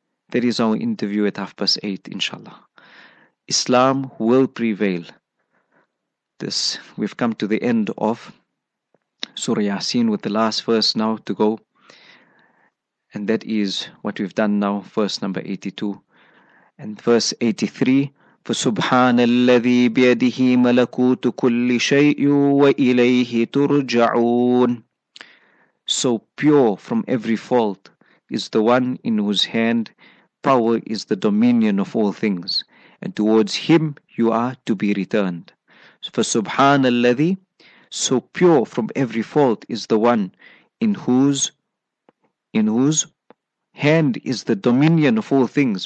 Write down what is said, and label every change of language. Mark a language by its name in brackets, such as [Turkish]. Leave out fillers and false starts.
[English] That is our interview at 8:30, inshallah. Islam will prevail. This, we've come to the end of Surah Yasin with the last verse now to go. And that is what we've done now, verse number 82. And verse 83, [Arabic] فَسُبْحَانَ الَّذِي بِيَدِهِ مَلَكُوتُ كُلِّ شَيْءٍ وَإِلَيْهِ تُرْجَعُونَ. [English] So pure from every fault is the one in whose hand power is the dominion of all things, and towards him you are to be returned. For Subhanalladhi, so pure from every fault is the one in whose hand is the dominion of all things.